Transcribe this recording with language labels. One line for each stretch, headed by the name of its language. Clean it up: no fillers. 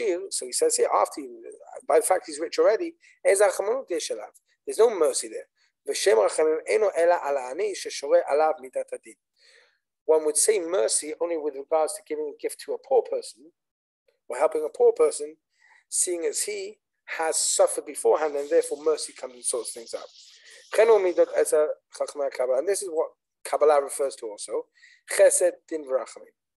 English: So he says here, after, by the fact he's rich already, there's no mercy there.
Hebrew: ושם רחמים אינו אלא על העני ששורה עליו מידת הדין.
English: One would say mercy only with regards to giving a gift to a poor person or helping a poor person, seeing as he has suffered beforehand, and therefore mercy comes and sorts things out.
Hebrew: כן הוא מידת את חכמי הקבלה,
English: and this is what Kabbalah refers to also, chesed, din, v'rachamim.